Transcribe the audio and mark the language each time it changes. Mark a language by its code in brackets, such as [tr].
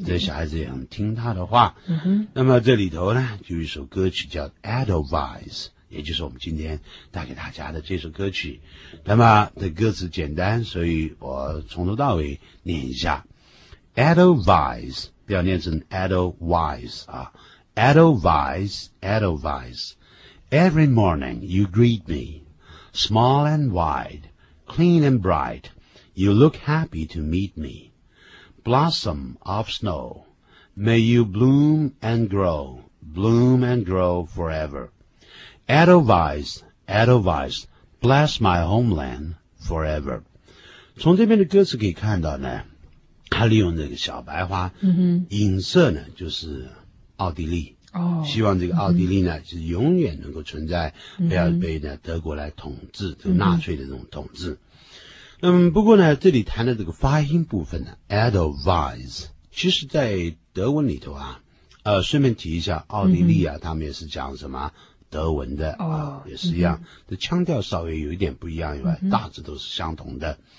[zh] 这小孩子也很听他的话。嗯哼。那么这里头呢，就有一首歌曲叫《Edelweiss》，也就是我们今天带给大家的这首歌曲。那么的歌词简单，所以我从头到尾念一下，《Edelweiss》。不要念成 Edelweiss 啊 [en] Edelweiss Edelweiss Every morning you greet me Small and wide Clean and bright You look happy to meet me Blossom of snow May you bloom and grow forever Edelweiss Edelweiss Bless my homeland forever [zh] 从这边的歌词可以看到呢他利用这个小白花，影射呢就是奥地利，希望这个奥地利呢是永远能够存在，不要被呢德国来统治，就纳粹的这种统治。那么不过呢，这里谈的这个发音部分呢 ，Edelweiss， 其实在德文里头啊，顺便提一下，奥地利啊，他们也是讲什么德文的啊，也是一样，这腔调稍微有一点不一样以外，大致都是相同的。